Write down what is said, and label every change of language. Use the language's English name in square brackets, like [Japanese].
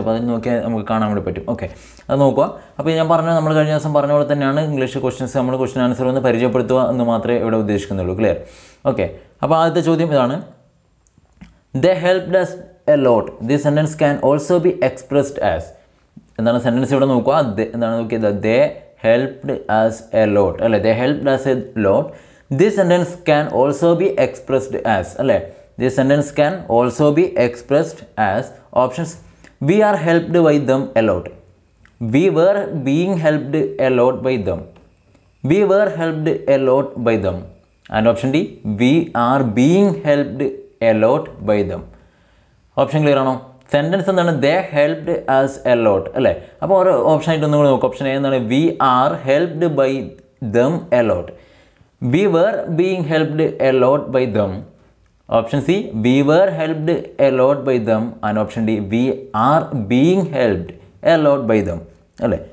[Malayalam] അപ്പോൾ അത് നോക്കിയാൽ നമുക്ക് കാണാൻ വേണ്ടി പറ്റും. ഓക്കെ, അത് നോക്കുക. അപ്പോൾ ഞാൻ പറഞ്ഞത് നമ്മൾ കഴിഞ്ഞ ദിവസം പറഞ്ഞ പോലെ തന്നെയാണ്, ഇംഗ്ലീഷ് ക്വസ്റ്റ്യൻസ് നമ്മൾ ക്വസ്റ്റ്യൻ ആൻസർ ഒന്ന് പരിചയപ്പെടുത്തുക എന്ന് മാത്രമേ ഇവിടെ ഉദ്ദേശിക്കുന്നുള്ളൂ. ക്ലിയർ. ഓക്കെ, അപ്പോൾ ആദ്യത്തെ ചോദ്യം ഇതാണ്, [English] They help us a lot, the sentence can also be expressed as. [Malayalam] എന്താണ് സെൻറ്റൻസ് ഇവിടെ നോക്കുക. എന്താണ് നോക്കിയത്? [English] They helped us a lot അല്ലേ, they help us a lot. This sentence can also be expressed as, alle this sentence can also be expressed as, options, we are helped by them a lot, we were being helped a lot by them, we were helped a lot by them, and option D, we are being helped a lot by them. Option clear ആണോ? [Malayalam] Sentence എന്താണ്? [English] They helped us a lot അല്ലേ. [Malayalam] അപ്പോൾ ഒരു option ആയിട്ട് ഒന്നും കൂടി നോക്കുക. [English] Option A എന്നാണ്, we are helped by them a lot, we were being helped a lot by them. Option C, we were helped a lot by them. And option D, we are being helped a lot by them അല്ലേ.